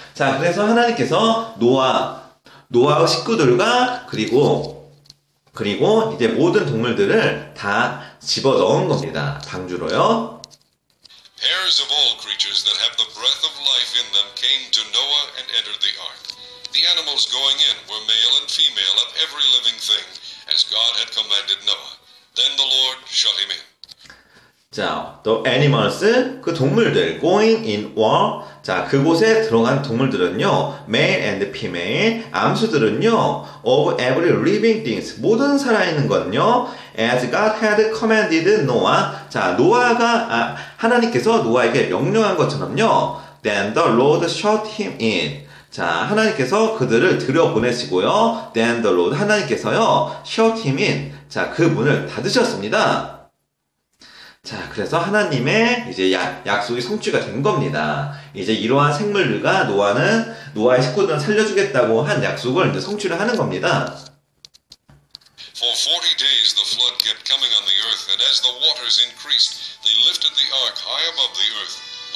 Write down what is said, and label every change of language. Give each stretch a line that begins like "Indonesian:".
Korean: 자, 그래서 하나님께서 노아의 식구들과 그리고 이제 모든 동물들을 다 집어넣은 겁니다. 방주로요.
English: Pairs of all creatures that have the breath of life in them came to Noah and entered the ark. The animals going in were male and female of every living thing, as God had commanded Noah. Then the Lord shut him in. 자, the animals,
Korean: 그 동물들,
English: going in were, 자,
Korean: 그곳에 들어간 동물들은요,
English: male and female,
Korean: 암수들은요,
English: of every living things,
Korean: 모든 살아있는 건요,
English: as God had commanded Noah. 자,
Korean: 하나님께서 노아에게 명령한 것처럼요,
English: then the Lord shut him in.
Korean: 자, 하나님께서 그들을 들여보내시고요.
English: Then the Lord,
Korean: 하나님께서요,
English: shut him in.
Korean: 자, 그 문을 닫으셨습니다. 자, 그래서 하나님의 이제 약속이 성취가 된 겁니다. 이제 이러한 생물들과 노아의 식구들을 살려주겠다고 한 약속을 이제 성취를 하는 겁니다.
English: For 40 days the flood kept coming on the earth, and as the waters increased, they lifted the ark high above the earth.